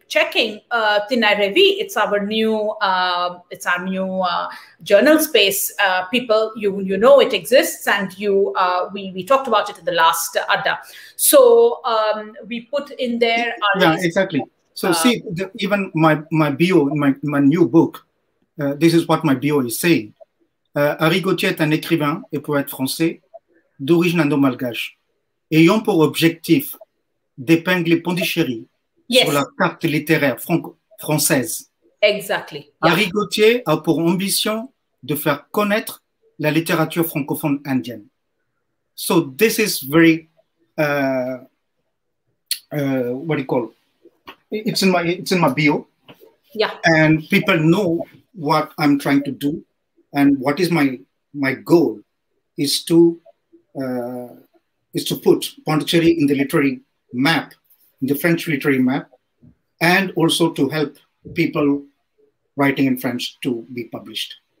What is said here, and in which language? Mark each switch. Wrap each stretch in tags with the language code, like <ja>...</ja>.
<en>checking Thinnai Revi. It's our new journal space. People, you know it exists, and we talked about it in the last Adda. So we put in there our Exactly. So even my bio in my new book, this is what my bio is saying.</en> <fr>Harry Gauthier est un écrivain et poète français d'origine indo-malgache, ayant pour objectif d'épingler Pondichéry sur la carte littéraire française.</fr> <en>Exactly.</en> <fr>Harry Gauthier a pour ambition de faire connaître la littérature francophone indienne.</fr> <en>So this is very, what do you call it? It's in my bio. Yeah. And people know what I'm trying to do. And what is my goal is to put Pondicherry in the literary map, in the French literary map, and also to help people writing in French to be published.</en>